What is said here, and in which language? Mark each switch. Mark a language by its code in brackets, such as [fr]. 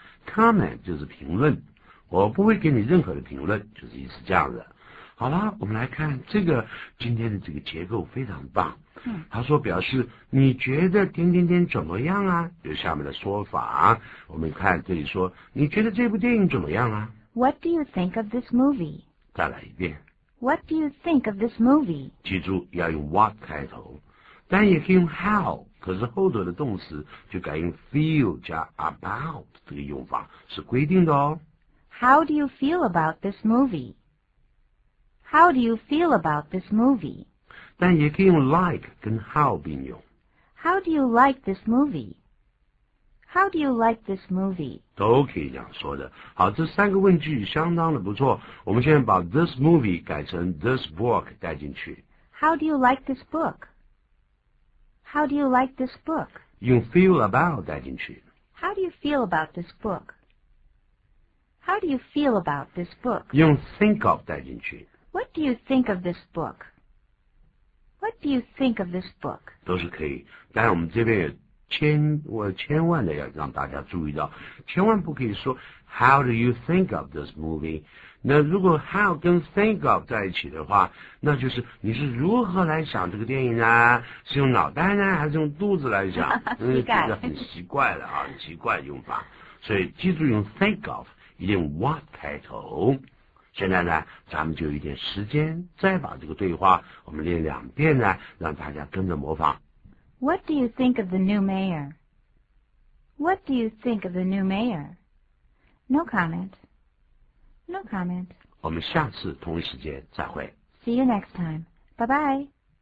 [zh] Comment 就是评论，我不会给你任何的评论，就是意思这样的。好啦，我们来看这个今天的这个结构非常棒。他说表示你觉得点点点怎么样啊？有下面的说法，我们看这里说你觉得这部电影怎么样啊？ [en] What do you think of this movie? [zh] 再来一遍。 [en] What do you think of this movie? [zh] 记住要用 what 开头，但也可以用 how。可是后头的动词就改用 feel 加 about 这个用法，是规定的哦。 [en] How do you feel about this movie? How do you feel about this movie? [zh] 但也可以用 like 跟 how 并用。 [en] How do you like this movie? How do you like this movie? [zh] 都可以这样说的。好，这三个问句相当的不错。我们现在把 this movie 改成 this book 带进去。 [en] How do you like this book? How do you like this book? [zh] 用 feel about 带进去。 [en] How do you feel about this book? How do you feel about this book? [zh] 用 think of 带进去。 [en] What do you think of this book? What do you think of this book? [zh] 都是可以，但我们这边千万的要让大家注意到，千万不可以说 [en] How do you think of this movie? [zh] 那如果 how 跟 think of 在一起的话，那就是你是如何来想这个电影呢？是用脑袋呢，还是用肚子来想？这个很奇怪了啊，很奇怪的用法。所以记住用 think of， 一定 what 开头。现在呢，咱们就一点时间，再把这个对话我们练两遍呢，让大家跟着模仿。 [en] What do you think of the new mayor? What do you think of the new mayor? No comment. No comment. [zh] 我们下次同一时间再会。 [en] See you next time. Bye bye.